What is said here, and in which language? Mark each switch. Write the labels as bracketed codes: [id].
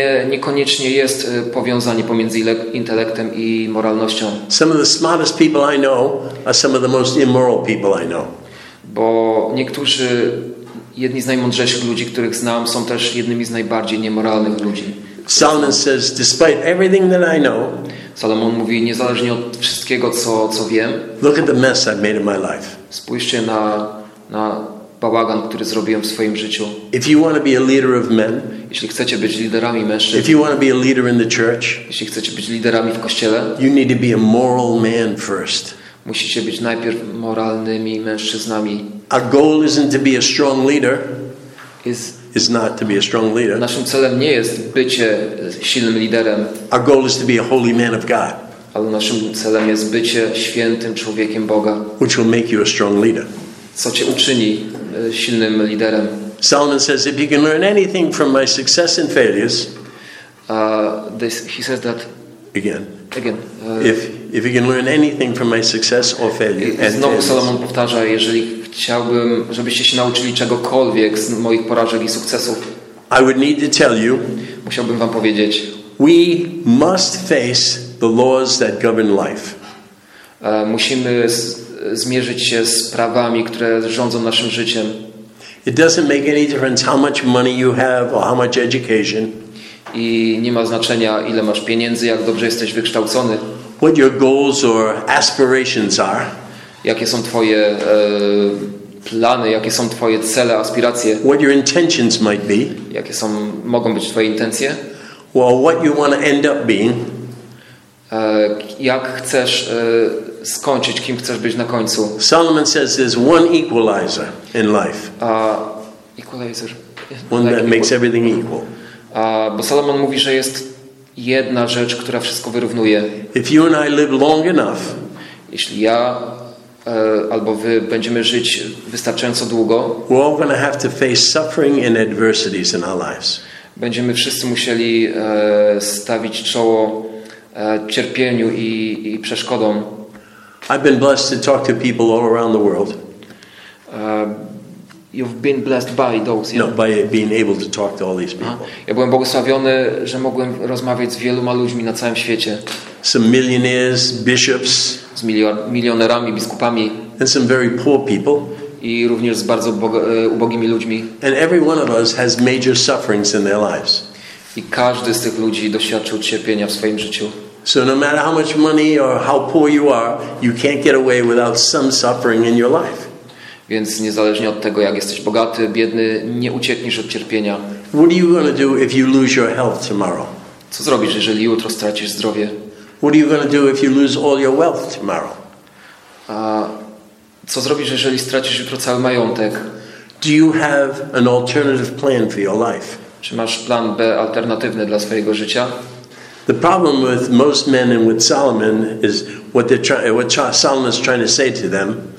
[pl] Niekoniecznie jest powiązanie pomiędzy intelektem i moralnością. [en] Some of the smartest people I know are some of the most immoral people I know. [pl] Bo niektórzy, jedni z najmądrzejszych ludzi, których znam, są też jednymi z najbardziej niemoralnych ludzi. [en] Solomon says, despite everything that I know, [pl] Salomon mówi, niezależnie od wszystkiego, co wiem, [en] look at the mess I've made in my life. [pl] Spójrzcie na bałagan, który zrobiłem w swoim życiu. [en] If you want to be a leader of men, [pl] jeśli chcecie być liderami mężczyzn, [en] if you want to be a leader in the church, [pl] jeśli chcecie być liderami w kościele, [en] you need to be a moral man first. [pl] Musicie być najpierw moralnymi mężczyznami. [en] Our goal isn't to be a strong leader. Is not to be a strong leader. [pl] Naszym celem nie jest bycie silnym liderem. [en] Our goal is to be a holy man of God. [pl] Ale naszym celem jest bycie świętym człowiekiem Boga. [en] Which will make you a strong leader. [pl] Co cię uczyni silnym liderem. [en] Solomon says, if you can learn anything from my success and failures, he says that again. If you can learn anything from my success or failure, and [pl] znowu Solomon powtarza, jeżeli chciałbym, żebyście się nauczyli czegokolwiek z moich porażek i sukcesów, [en] I would need to tell you, [pl] musiałbym wam powiedzieć, [en] we must face the laws that govern life. [pl] Musimy zmierzyć się z prawami, które rządzą naszym życiem. [en] It doesn't make any difference how much money you have or how much education. [pl] I nie ma znaczenia, ile masz pieniędzy, jak dobrze jesteś wykształcony. [en] What your goals or aspirations are. [pl] Jakie są twoje plany, jakie są twoje cele, aspiracje. [en] What your intentions might be. [pl] Jakie są, mogą być twoje intencje. [en] Well, what you want to end up being. [pl] Jak chcesz skończyć, kim chcesz być na końcu. [en] Solomon says there's one equalizer in life. Equalizer. One that makes everything equal. [pl] Bo Solomon mówi, że jest jedna rzecz, która wszystko wyrównuje. [en] If you and I live long enough, [pl] jeśli ja albo wy będziemy żyć wystarczająco długo, [en] we're all gonna have to face suffering and adversities in our lives. [pl] Będziemy wszyscy musieli stawić czoło cierpieniu i przeszkodom. [en] I've been blessed to talk to people all around the world. You've been blessed by those. No, by being able to talk to all these people. [pl] Ja byłem błogosławiony, że mogłem rozmawiać z wieloma ludźmi na całym świecie. [en] Some millionaires, bishops. [pl] Z milionerami, biskupami. [en] And some very poor people. [pl] I również z bardzo ubogimi ludźmi. [en] And every one of us has major sufferings in their lives. [pl] I każdy z tych ludzi doświadczył cierpienia w swoim życiu. [en] So no matter how much money or how poor you are, you can't get away without some suffering in your life. [pl] Więc niezależnie od tego, jak jesteś bogaty, biedny, nie uciekniesz od cierpienia. [en] What are you going to do if you lose your health tomorrow? [pl] Co zrobisz, jeżeli jutro stracisz zdrowie? [en] What are you going to do if you lose all your wealth tomorrow? [pl] Co zrobisz, jeżeli stracisz jutro cały majątek? [en] Do you have an alternative plan for your life? [pl] Czy masz plan B alternatywny dla swojego życia? [en] The problem with most men and with Solomon is what Solomon is trying to say to them.